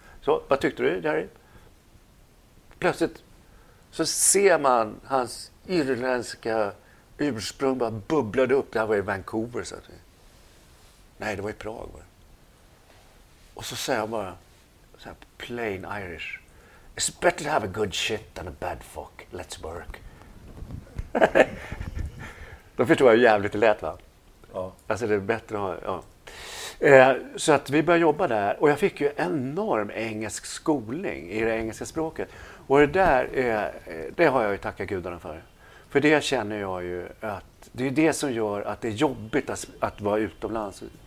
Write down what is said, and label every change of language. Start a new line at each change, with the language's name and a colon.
Swedish: Så, vad tyckte du, Jerry? Plötsligt så ser man hans irländska ursprung bara bubblade upp. Det här var i Vancouver. Så att nej, det var i Prag. Va? Och så säger han bara, så här,
English: plain Irish. It's better to have a good shit than a bad fuck. Let's work.
Swedish: Då förstår jag hur jävligt det lät, va? Ja. Alltså det är bättre att ha... Ja. Så att vi började jobba där. Och jag fick ju enorm engelsk skolning i det engelska språket. Och det där är, det har jag ju tackat gudarna för. För det känner jag ju att det är det som gör att det är jobbigt att vara utomlands.